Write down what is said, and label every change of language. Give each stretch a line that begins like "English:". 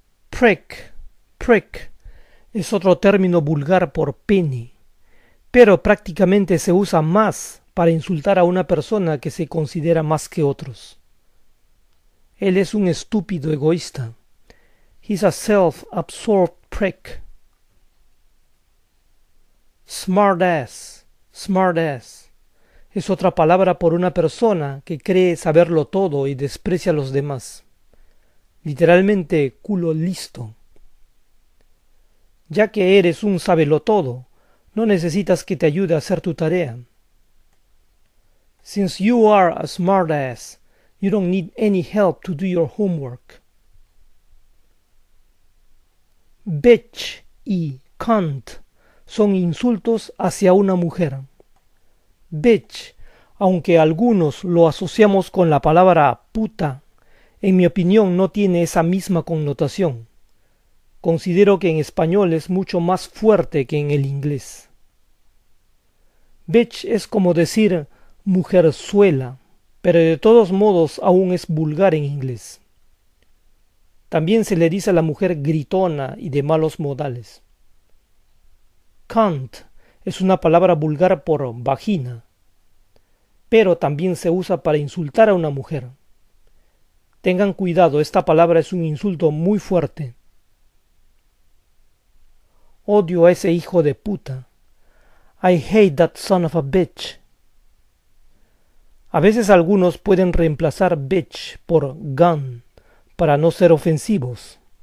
Spanish: Prick. Prick es otro término vulgar por pene, pero prácticamente se usa más para insultar a una persona que se considera más que otros. Él es un estúpido egoísta.
English: He's a self-absorbed prick. Smartass. Smartass.
Spanish: Es otra palabra por una persona que cree saberlo todo y desprecia a los demás. literalmente culo listo. Ya que eres un sabelotodo, no necesitas que te ayude a hacer tu tarea.
English: Since you are a smartass, you don't need any help to do your homework.
Spanish: Bitch y cunt son insultos hacia una mujer. Bitch, aunque algunos lo asociamos con la palabra puta, en mi opinión no tiene esa misma connotación. Considero que en español es mucho más fuerte que en el inglés. Bitch es como decir mujerzuela, pero de todos modos aún es vulgar en inglés. También se le dice a la mujer gritona y de malos modales. Cunt es una palabra vulgar por vagina, pero también se usa para insultar a una mujer. Tengan cuidado, esta palabra es un insulto muy fuerte. Odio a ese hijo de puta.
English: I hate that son of a bitch.
Spanish: A veces algunos pueden reemplazar bitch por gun para no ser ofensivos.